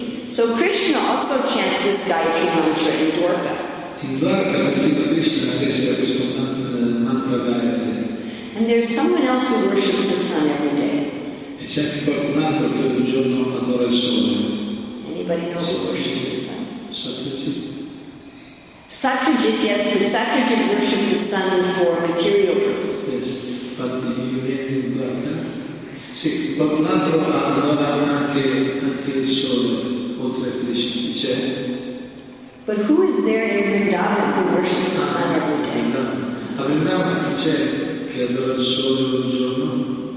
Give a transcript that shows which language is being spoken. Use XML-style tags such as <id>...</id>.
<en>So Krishna also chants this Gayatri mantra in Dwarka. And there's someone else who worships the sun every day.</en> <it>E c'è anche qualcun altro che ogni giorno adora il sole.</it> <en>Anybody know who worships the sun? Satyajit. Satyajit, yes, but Satyajit worships the sun for material purposes. Yes, but you may have</en> <it>sì, qualcun altro adora anche il sole, oltre a Krishna, dice.</it> <en>But who is there in Vrindavan who worships the sun every day?</en> <it>A Vrindavan chi c'è che adora il sole ogni giorno?</it>